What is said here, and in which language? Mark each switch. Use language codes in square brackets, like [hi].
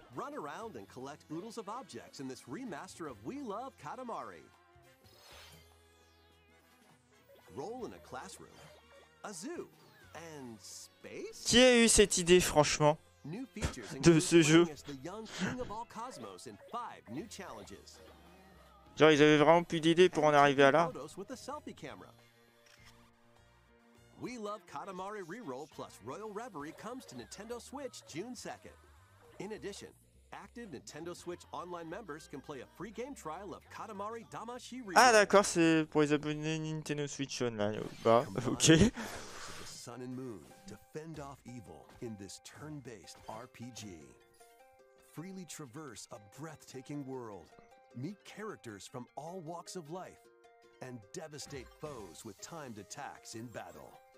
[en] Run around and collect oodles of objects in this remaster of We Love Katamari. Roll in a classroom, a zoo, and space? [fr] Qui a eu cette idée, franchement, [en] new features [fr] de ce jeu? [en] As the young king of all cosmos in 5 new challenges. [fr] Genre, ils avaient vraiment plus d'idées pour en arriver à là. [en] With a selfie camera. We Love Katamari Reroll plus Royal Reverie comes to Nintendo Switch June 2nd. In addition, active Nintendo Switch Online members can play a free game trial of Katamari Damashi Reroll. [fr] Ah d'accord, c'est pour les abonnés Nintendo Switch Online. Bah, ok. [en] The sun and moon to fend off evil in this turn-based RPG. Freely traverse a breathtaking world. Meet characters from all walks of life and devastate foes with timed attacks in battle.